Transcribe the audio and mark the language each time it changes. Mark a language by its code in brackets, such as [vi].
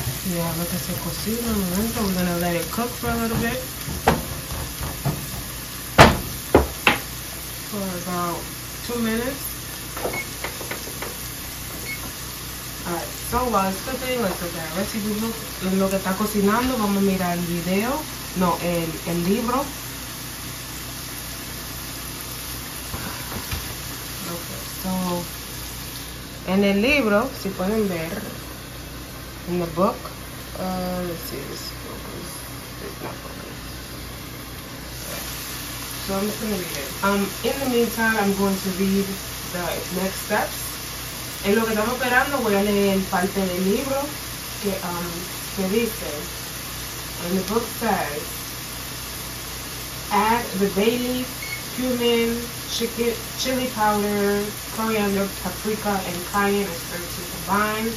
[en] Yeah, look at the cocina in a moment. We're gonna let it cook for a little bit. For about 2 minutes. Alright, so while it's cooking, let's look at our recipe book. [es] En lo que está cocinando, vamos a mirar el video. No, el libro. Okay, so en el libro, si pueden ver, [en] in the book. Let's see, this is focused. It's not focused. Right. So I'm just gonna read it. In the meantime, I'm going to read the next steps. [es] En lo que estamos esperando, voy a leer parte del libro que dice. [en] And the book says, add the bay leaf, cumin, chili powder, coriander, paprika, and cayenne, and stir to combine.